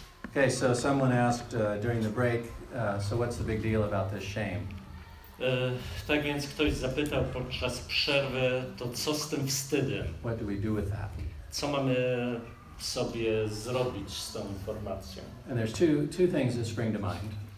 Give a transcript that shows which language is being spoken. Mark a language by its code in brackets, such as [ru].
[en] Okay, so someone asked during the break, so what's the big deal about this shame? [pl] Tak więc ktoś zapytał podczas przerwy, to co z tym wstydem? [en] What do we do with that? [pl] Co mamy sobie zrobić z tą informacją? [en] And there's two things that spring to mind.